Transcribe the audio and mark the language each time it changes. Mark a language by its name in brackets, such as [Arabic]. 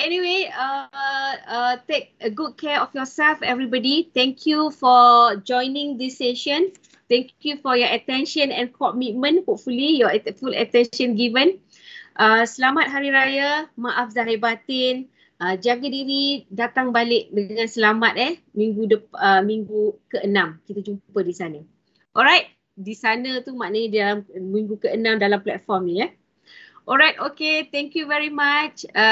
[English] Anyway, take a good care of yourself everybody. Thank you for joining this session. Thank you for your attention and commitment. Hopefully your full attention given. [Malay] Selamat Hari Raya. Maaf zahir batin. Jaga diri, datang balik dengan selamat eh minggu minggu ke-6 kita jumpa di sana. Alright, di sana tu maknanya dalam minggu ke-6 dalam platform ni eh. [English] Alright, okay, thank you very much.